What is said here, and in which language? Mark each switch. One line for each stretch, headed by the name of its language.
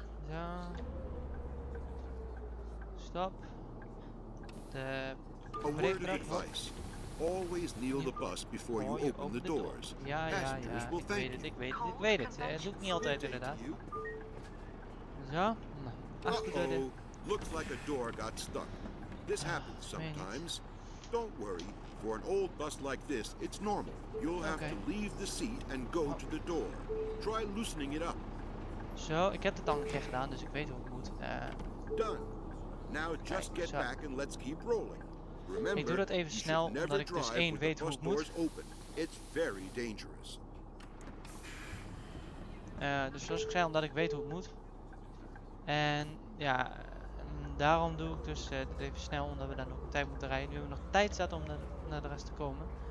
Dutch: Zo. Stop. De
English: word of advice. Always kneel the bus before you open the doors.
Dutch: Ja, ja, ja. Ik weet het. Het doet niet altijd, inderdaad. Zo. Achterdeur.
English: Looks like a door got stuck. This happens sometimes. Don't worry. For an old bus like this, it's normal. You'll have to leave the seat and go to the door. Try loosening it up.
Dutch: Zo, ik heb het al een keer gedaan, dus ik weet hoe het moet.
English: Done. Now just get back and let's keep rolling. Remember,
Dutch: ik doe dat even snel, omdat ik dus één weet hoe het moet.
English: Open. It's very dangerous.
Dutch: Dus zoals ik zei, omdat ik weet hoe het moet. En ja. Daarom doe ik dus dit even snel, omdat we dan nog tijd moeten rijden. Nu hebben we nog tijd zat om naar de rest te komen.